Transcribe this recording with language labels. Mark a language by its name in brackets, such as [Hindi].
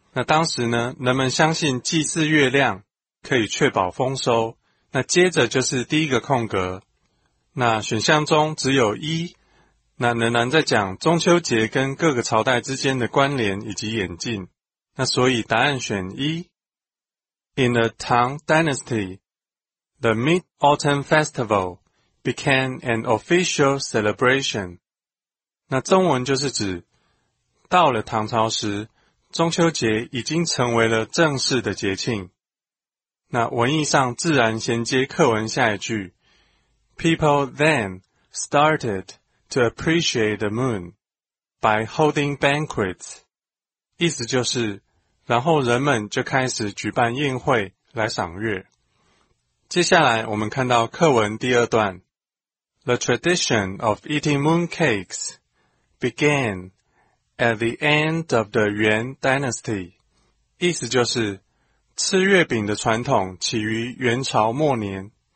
[Chinese] 那当时呢，人们相信祭祀月亮可以确保丰收。那接着就是第一个空格，那选项中只有一，那仍然在讲中秋节跟各个朝代之间的关联以及演进。那所以答案选一。 [English] In the Tang Dynasty, the Mid-Autumn Festival became an official celebration. [Chinese] 那中文就是指，到了唐朝时，中秋节已经成为了正式的节庆。那文意上自然衔接课文下一句， [English] People then started to appreciate the moon by holding banquets. [Chinese] 意思就是，然后人们就开始举办宴会来赏月。接下来我们看到课文第二段， [English] The tradition of eating mooncakes beganAt the end of the Yuan Dynasty, [Chinese] 意思就是吃月饼的传统起于元朝末年。